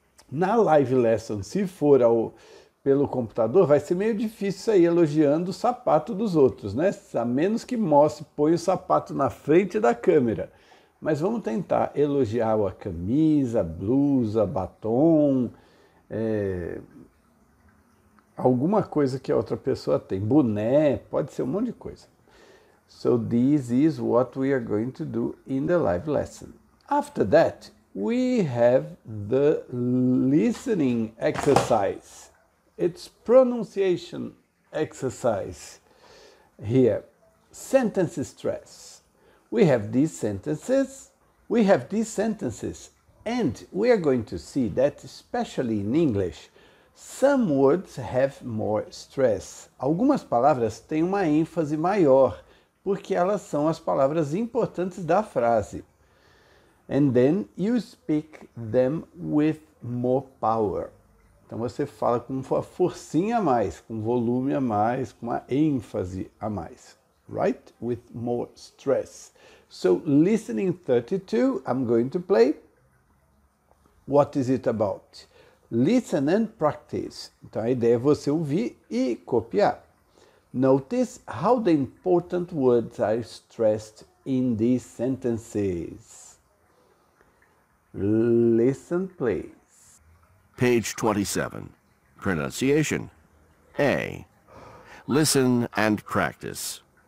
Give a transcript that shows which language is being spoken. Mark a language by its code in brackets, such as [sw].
[pt] Na live lesson, se for pelo computador, vai ser meio difícil sair elogiando o sapato dos outros, né? A menos que mostre, põe o sapato na frente da câmera. Mas vamos tentar elogiar a camisa, a blusa, batom, alguma coisa que a outra pessoa tem. Boné, pode ser um monte de coisa. [en] So this is what we are going to do in the live lesson. After that, we have the listening exercise. It's pronunciation exercise here. Sentence stress. We have these sentences. We have these sentences. And we are going to see that, especially in English, some words have more stress. [pt] Algumas palavras têm uma ênfase maior, porque elas são as palavras importantes da frase. [en] And then you speak them with more power. [pt] Então você fala com uma forcinha a mais, com volume a mais, com uma ênfase a mais. [en] Right? With more stress. So, listening 32, I'm going to play. What is it about? Listen and practice. [pt] Então a ideia é você ouvir e copiar. [en] Notice how the important words are stressed in these sentences. Listen, please. Page 27. Pronunciation. A. Listen and practice.